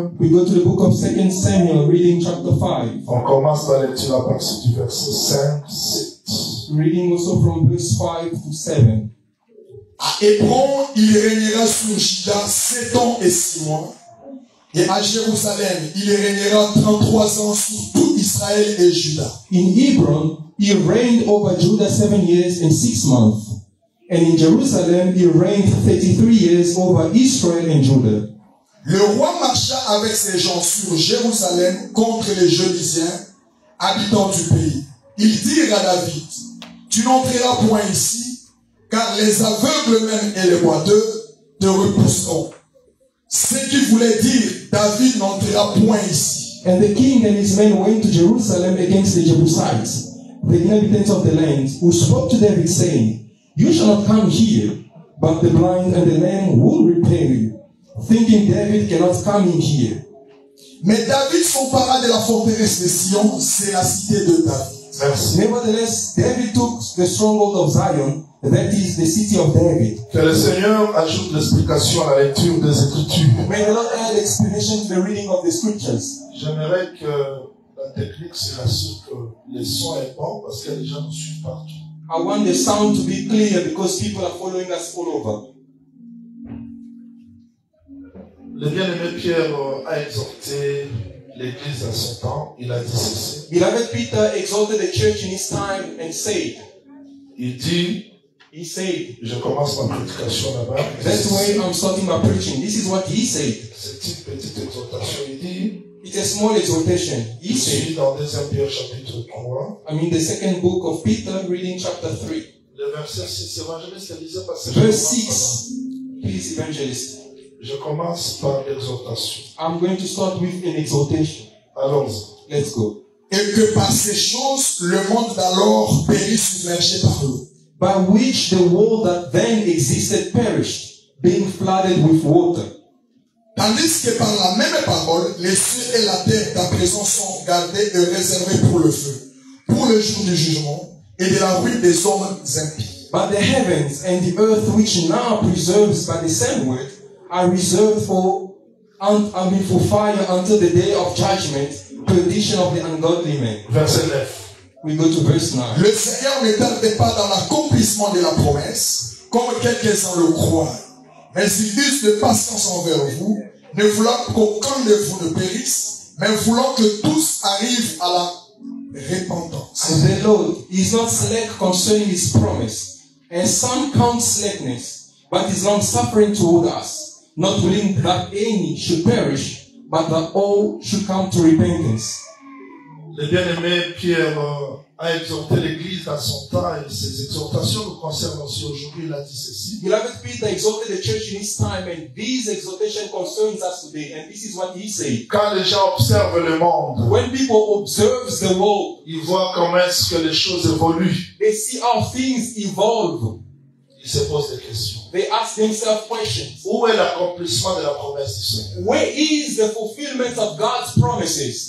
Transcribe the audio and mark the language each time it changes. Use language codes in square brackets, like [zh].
[en] We go to the book of 2 Samuel, reading chapter 5. [fr] On commence la lecture à partir du verset 5, 7. [en] Reading also from verse 5 to 7. [fr] À Hébron, il régnera sur Juda 7 ans et 6 mois. Et à Jérusalem, il régnera 33 ans sur tout Israël et Juda. [en] In Hebron, he reigned over Judah 7 years and 6 months. And in Jerusalem, he reigned 33 years over Israel and Judah. [fr] Le roi marcha avec ses gens sur Jérusalem contre les Jebusiens, habitants du pays. Ils dirent à David, tu n'entreras point ici, car les aveugles même et les boiteux te repousseront. Ce qui voulait dire, David n'entrera point ici. [en] And the king and his men went to Jerusalem against the Jebusites, the inhabitants of the land, who spoke to David, saying, you shall not come here, but the blind and the lame will repay you, thinking David cannot come in here. [fr] Mais David s'empara de la forteresse de Sion, c'est la cité de David. Merci. [en] Nevertheless, David took the stronghold of Zion, that is the city of David. [fr] Que le Seigneur ajoute l'explication à la lecture des Écritures. [en] May the Lord add explanation to the reading of the Scriptures. [fr] J'aimerais que la technique soit sûre que les sons sont bons parce que les gens nous suivent partout. [en] I want the sound to be clear because people are following us all over. [fr] Le bien-aimé Pierre a exhorté l'Église à son temps. Il a dit ceci. [en] Beloved Peter exhorted the church in his time and said. [fr] Il dit. [en] He said, [fr] je commence ma prédication là-bas. [en] That's why I'm starting my preaching. This is what he said. [fr] C'est une petite exhortation, il dit. [en] It's a small exhortation. He said, [fr] dans 2 Pierre chapitre 3. [en] I'm in the second book of Peter, reading chapter 3. [fr] Le verset 6, évangéliste, il disait parce [en] que. Verse 6, please, evangelist. [fr] Je commence par l'exhortation. [en] I'm going to start with an exhortation. [fr] Allons-y. [en] Let's go. [fr] Et que par ces choses, le monde d'alors périt submergé par l'eau. [en] By which the world that then existed perished, being flooded with water. [fr] Tandis que par la même parole, les cieux et la terre d'à présent sont gardés et réservés pour le feu, pour le jour du jugement et de la ruine des hommes impies. [en] But the heavens and the earth which now preserves by the same word are reserved for for fire until the day of judgment, perdition of the ungodly men. [fr] Verset 9. [en] We go to verse 9. [fr] Le Seigneur ne tarde pas dans l'accomplissement de la promesse, comme quelques-uns le croient. Mais ils usent de patience envers vous, ne voulant qu'aucun de vous ne périsse, mais voulant que tous arrivent à la repentance. [en] The Lord is not slack concerning his promise, and some count slackness, but is long suffering toward us, not willing that any should perish, but that all should come to repentance. [fr] Le bien-aimé Pierre a exhorté l'Église à son temps et ses exhortations nous concernent aussi aujourd'hui. Il a dit ceci. [en] Beloved Peter exhorted the church in his time and these exhortations concern us today. And this is what he said. [fr] Quand les gens observent le monde, [en] when people observe the world, [fr] ils voient comment est-ce que les choses évoluent. [en] They see how things evolve. [fr] Ils se posent des questions. [en] They ask themselves questions. [fr] Où est l'accomplissement de la promesse du Seigneur? [en] Where is the fulfillment of God's promises?